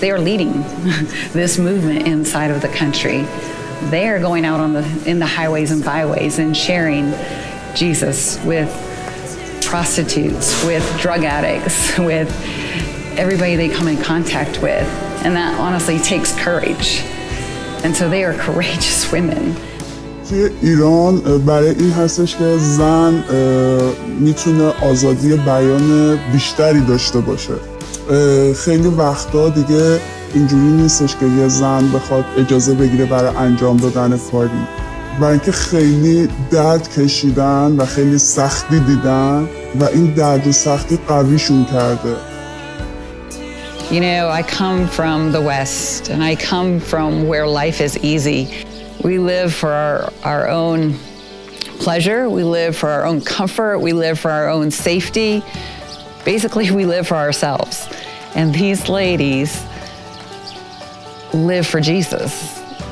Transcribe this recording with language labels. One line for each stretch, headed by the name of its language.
English: They are leading this movement inside of the country. They are going out on the in the highways and byways and sharing Jesus with prostitutes, with drug addicts, with everybody they come in contact with. And that honestly takes courage. And so they are courageous women.
Persian: توی ایران برای این هستش که زن میتونه آزادی بیان بیشتری داشته باشه. خیلی وقتا دیگه اینجوری نیستش که یه زن بخواد اجازه بگیره برای انجام دادن کاری. برای اینکه خیلی درد کشیدن و خیلی سختی دیدن و این درد و سختی قویشون کرده.
English: You know, I come from the West and I come from where life is easy. We live for our own pleasure, we live for our own comfort, we live for our own safety. Basically, we live for ourselves. And these ladies live for Jesus.